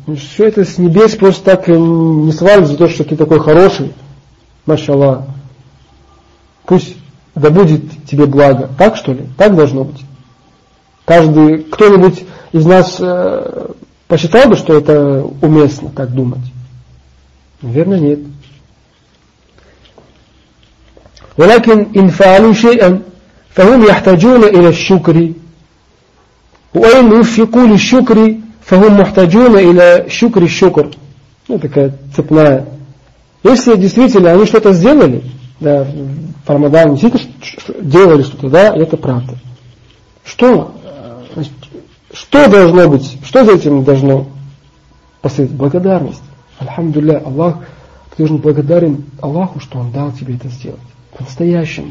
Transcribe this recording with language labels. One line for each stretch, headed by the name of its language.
Russian: Все это с небес просто так не свалится за то, что ты такой хороший. Машаллах. Пусть да будет тебе благо. Так что ли? Так должно быть. Каждый, кто-нибудь из нас посчитал бы, что это уместно так думать? Наверное, нет.
Arabic: ولكن إن فعلوا شيئا فهم يحتاجون إلى الشكر وإن وفقوا للشكر فهم محتاجون إلى شكر الشكر.
Russian: Ну, такая цепная. Если действительно они что-то сделали, да, в Рамадане действительно делали что-то, да, это правда. Что? Значит, что должно быть? Что за этим должно последовать? Благодарность. Альхамдулля, Аллах, ты должен благодарен Аллаху, что Он дал тебе это сделать. По-настоящему.